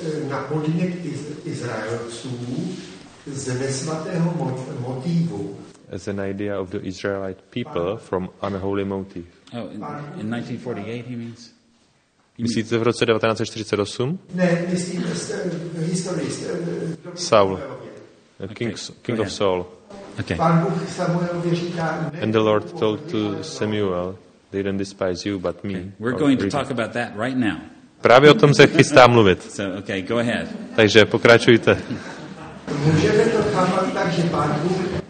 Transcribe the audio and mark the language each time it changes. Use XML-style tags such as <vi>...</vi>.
<cs>Na podnět Izraelců z nesvatého motivu.</cs> <en>As an idea of the Israelite people from unholy motive. Oh, in 1948 he means?</en> <cs>Myslíte v roce 1948? Ne, myslím, historist.</cs> <en>Saul. King of Saul. Okay.</en> <cs>Pán Bůh Samuelovi říká,</cs> <en>and the Lord told to Samuel They don't despise you, but me. Okay. We're going to talk about that right now.</en> <cs>Právě o tom se chystám mluvit.</cs> <en>So, okay, go ahead.</en> <cs>Takže pokračujte. Můžeme to chápat tak, že Pán Bůh...</cs>